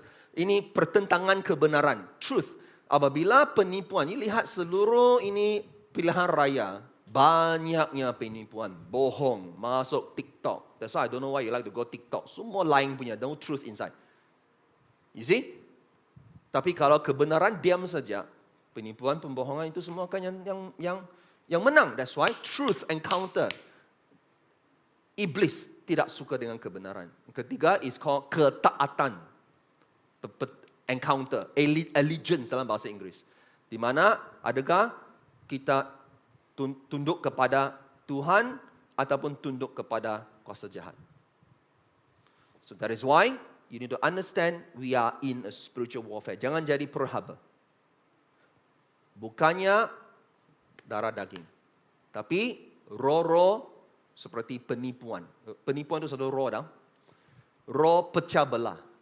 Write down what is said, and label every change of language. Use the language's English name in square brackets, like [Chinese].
[Malay] Ini pertentangan kebenaran, truth. Apabila penipuan, ini lihat seluruh ini pilihan raya, banyaknya penipuan, bohong, masuk TikTok. [English] That's why I don't know why you like to go TikTok. [Malay] Semua [English] lying [Malay] punya, [English] no truth inside. You see? [Malay] Tapi kalau kebenaran diam saja, penipuan, pembohongan itu semua akan yang menang. [English] That's why truth encounter. [Malay] Iblis tidak suka dengan kebenaran. Ketiga [English] is called [Malay] ketaatan. Encounter, allegiance dalam bahasa Inggeris. Di mana adakah kita tunduk kepada Tuhan ataupun tunduk kepada kuasa jahat. [English] So that is why you need to understand we are in a spiritual warfare. [Malay] Jangan jadi perhamba. Bukannya darah daging. Tapi roh-roh seperti penipuan. Penipuan itu satu roh dah. Roh pecah belah.